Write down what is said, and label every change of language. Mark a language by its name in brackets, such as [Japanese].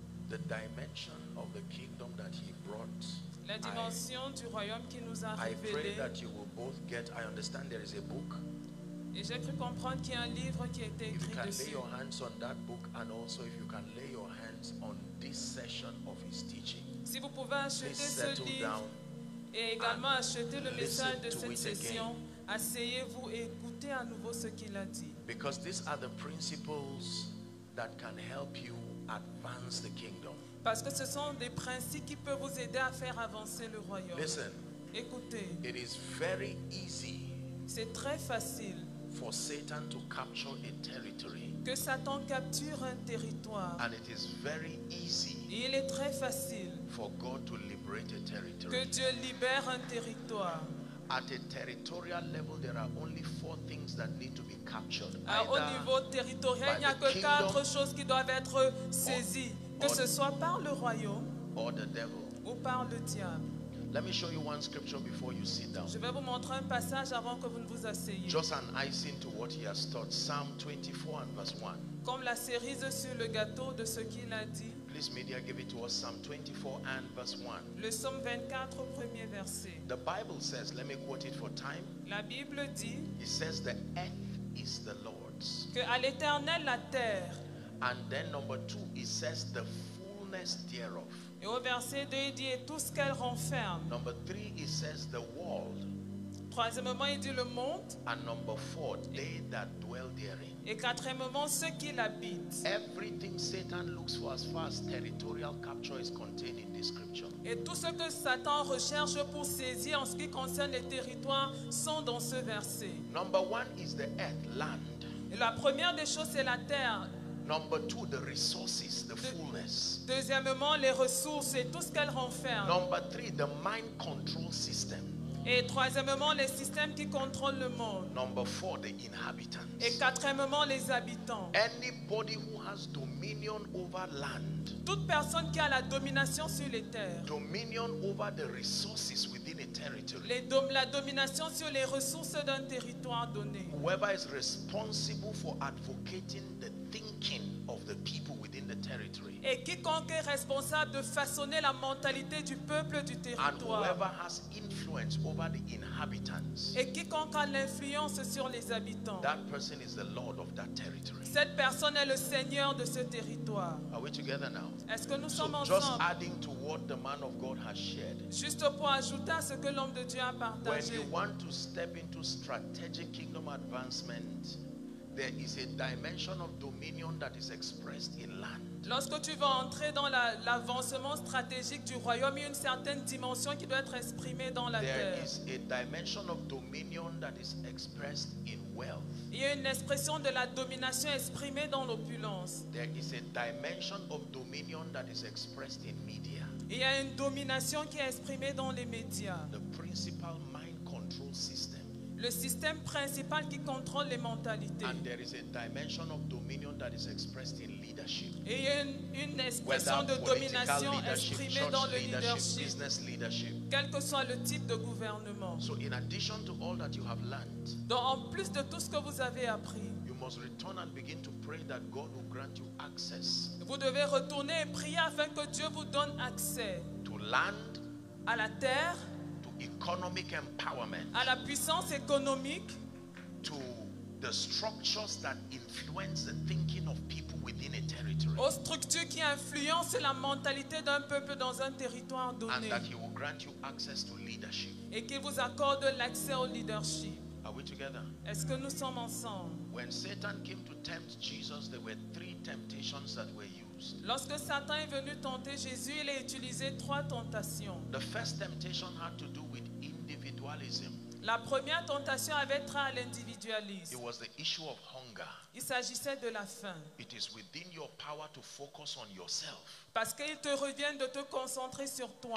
[English] The dimension of the kingdom that he brought. [French] La dimension du royaume qui nous a révélé. [English] I pray that you will both get. I understand there is a book. [French] Et j'ai cru comprendre qu'il y a un livre qui a été écrit dessus. [English] If you can lay your hands on that book, and also if you can lay your hands on this session of his teaching. [French] Si vous pouvez acheter ce livre et également acheter le message de cette session, asseyez-vous et écoutez à nouveau ce qu'il a dit. [English] Because these are the principles that can help you advance the kingdom. [French] Parce que ce sont des principes qui peuvent vous aider à faire avancer le royaume. [English] Listen, [French] écoutez. [English] It is very easy. [French] C'est très facile. [English] For Satan to capture a territory. [French] Que Satan capture un territoire. [English] And it is very easy. [French] Et il est très facile. [English] For God to liberate a territory. [French] Que Dieu libère un territoire. [English] At a territorial level, there are only four things that need to be captured. [French] Au niveau territorial, il n'y a que quatre choses qui doivent être saisies, que ce soit par le royaume, [English] or the devil, [French] ou par le diable. [English] Let me show you one scripture before you sit down. [French] Je vais vous montrer un passage avant que vous ne vous asseyiez. [English] Just an icing to what he has taught. Psalm 24 and verse 1. [French] Comme la cerise sur le gâteau de ce qu'il a dit. [English] Please, media, give it to us. Psalm 24 and verse 1. [French] Le psaume 24, premier verset. [English] The Bible says, let me quote it for time. [French] La Bible dit. [English] It says, the earth is the Lord's. [French] Que à l'éternel la terre. [English] And then number 2, it says, the fullness thereof. [French] Et au verset 2, il dit, et tout ce qu'elle renferme. [English] Number 3, it says, the world. [French] Troisièmement, il dit le monde. [English] And number 4, they that dwell therein. [French] Et quatrièmement, ceux qui l'habitent. [English] Everything Satan looks for as far as territorial capture is contained in this scripture. [French] Et tout ce que Satan recherche pour saisir en ce qui concerne les territoires sont dans ce verset. [English] Number 1 is the earth, land. [French] Et la première des choses, c'est la terre. [English] Number 2, the resources, the fullness. [French] Deuxièmement, les ressources et tout ce qu'elles renferment. [English] Number 3, the mind control system. [French] Et troisièmement, les systèmes qui contrôlent le monde. [English] Number 4, the inhabitants. [French] Et quatrièmement, les habitants. [English] Anybody who has dominion over land. [French] Toute personne qui a la domination sur les terres. [English] Dominion over the resources within a territory. [French] La domination sur les ressources d'un territoire donné. [English] Whoever is responsible for advocating the thinking of the people within the territory. [French] Et quiconque est responsable de façonner la mentalité du peuple du territoire. [English] And whoever has influence over the inhabitants. [French] Et quiconque a l'influence sur les habitants. [English] That person is the lord of that territory. [French] Cette personne est le seigneur de ce territoire. [English] Are we together now? [French] Est-ce que nous sommes ensemble? [English] Just adding to what the man of God has shared. [French] Juste pour ajouter à ce que l'homme de Dieu a partagé. [English] When you want to step into strategic kingdom advancement, there is a dimension of dominion that is expressed in land. [French] Lorsque tu vas entrer dans l'avancement stratégique du royaume, il y a une certaine dimension qui doit être exprimée dans la [English] there [French] terre. [English] There is a dimension of dominion that is expressed in wealth. [French] Il y a une expression de la domination exprimée dans l'opulence. [English] There is a dimension of dominion that is expressed in media. [French] Il y a une domination qui est exprimée dans les médias. [English] The principal mind control system. [French] Le système principal qui contrôle les mentalités. [English] And there is a dimension of dominion that is expressed in leadership. [French] Et il y a une expression de domination exprimée dans le leadership, [English] business leadership. [French] Quel que soit le type de gouvernement. [English] So in addition to all that you have learned. [French] Donc en plus de tout ce que vous avez appris. [English] You must return and begin to pray that God will grant you access. [French] Vous devez retourner et prier afin que Dieu vous donne accès. [English] To land. [French] À la terre. [English] Economic empowerment, [French] à la puissance économique, [English] to the structures that influence the thinking of people within a territory, [French] aux structures qui influencent la mentalité d'un peuple dans un territoire donné, [English] and that he will grant you access to leadership, [French] et qu'il vous accorde l'accès au leadership. [English] Are we together? [French] Est-ce que nous sommes ensemble? [English] When Satan came to tempt Jesus, there were three temptations that were used. [French] Lorsque Satan est venu tenter Jésus, il a utilisé trois tentations. [English] The first temptation had to do with individualism. [French] La première tentation avait trait à l'individualisme. [English] It was the issue of hunger. [French] Il s'agissait de la faim. [English] It is within your power to focus on yourself. [French] Parce qu'il te revient de te concentrer sur toi.